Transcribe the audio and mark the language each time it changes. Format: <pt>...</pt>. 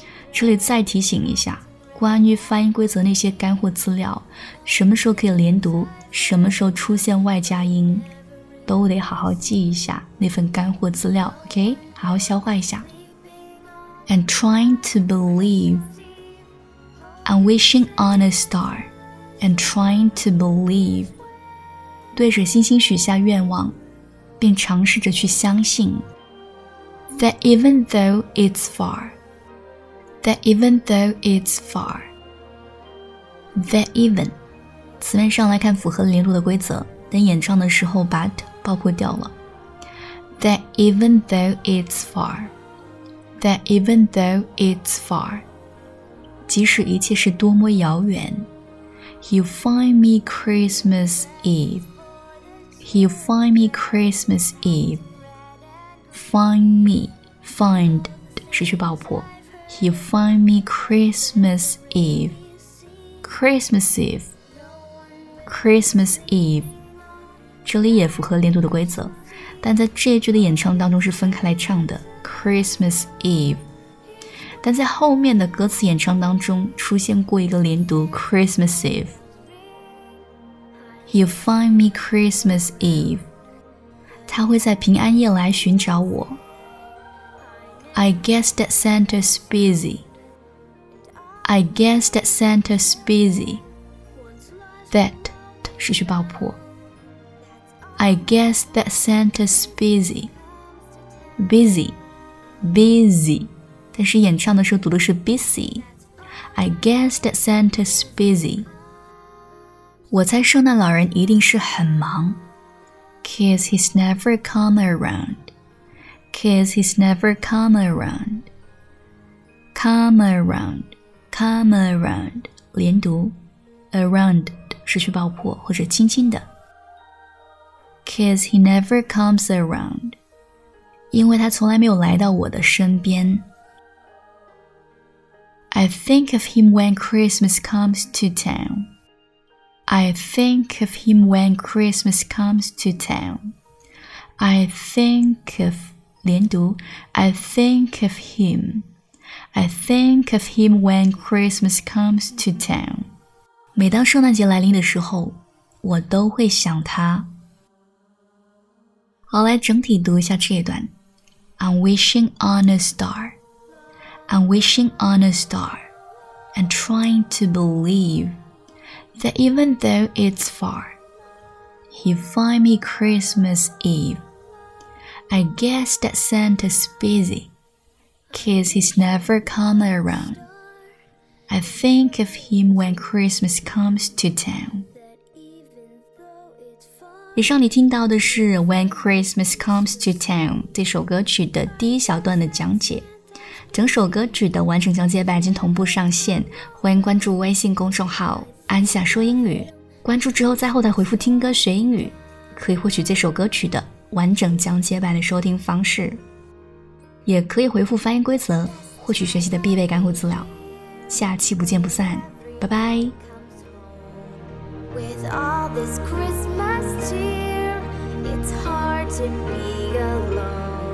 <zh>这里再提醒一下，关于发音规则那些干货资料，什么时候可以连读，什么时候出现外加音，都得好好记一下那份干货资料 ，OK？好好消化一下。</zh> <en>And trying to believe, I'm wishing on a star. And trying to believe.</en> <zh>对着星星许下愿望，并尝试着去相信。</zh> <en>That even though it's far. That even though it's far. That even.</en> <zh>词面上来看符合连读的规则，但演唱的时候把 t 爆破掉了。</zh> <en>That even though it's far. That even though it's far.</en> <zh>即使一切是多么遥远。</zh> <en>He'll find me Christmas Eve. He'll find me Christmas Eve. Find me. Find.</en> <zh>失去爆破。</zh> <en>He'll find me Christmas Eve. Christmas Eve. Christmas Eve.</en> <zh>这里也符合连读的规则，但在这一句的演唱当中是分开来唱的。</zh> <en>Christmas Eve.</en> <zh>但在后面的歌词演唱当中出现过一个连读 Christmas Eve.</zh> <en>He'll find me Christmas Eve.</en> <zh>他会在平安夜来寻找我。</zh> <en>I guess that Santa's busy. I guess that Santa's busy. That</en> <zh>失去爆破。</zh> <en>I guess that Santa's busy. Busy. Busy.</en> <zh>但是演唱的时候读的是 busy.</zh> <en>I guess that Santa's busy.</en> <zh>我猜圣诞老人一定是很忙。</zh> <en>Cause he's never come around. Cause he's never come around. Come around. Come around.</en> <zh>连读。 Around 失去爆破或者轻轻的。</zh> <en>Cause he never comes around.</en> <zh>因为他从来没有来到我的身边。</zh> <en>I think of him when Christmas comes to town. I think of him when Christmas comes to town. I think of</en> <zh>连读</zh> <en>I think of him. I think of him when Christmas comes to town.</en> <zh>每当圣诞节来临的时候，我都会想他。好，来整体读一下这一段。</zh> <en>I'm wishing on a star. I'm wishing on a star and trying to believe that even though it's far, he'll find me Christmas Eve. I guess that Santa's busy, cause he's never come around. I think of him when Christmas comes to town. That even though it's far,</en> <zh>以上你听到的是 When Christmas Comes to Town 这首歌曲的第一小段的讲解。整首歌曲的完整讲解版已经同步上线，欢迎关注微信公众号安夏说英语，关注之后在后台回复听歌学英语，可以获取这首歌曲的完整讲解版的收听方式，也可以回复翻译规则获取学习的必备干货资料。下期不见不散，拜拜。</zh> <en>With all this Christmas cheer, it's hard to be alone.</en>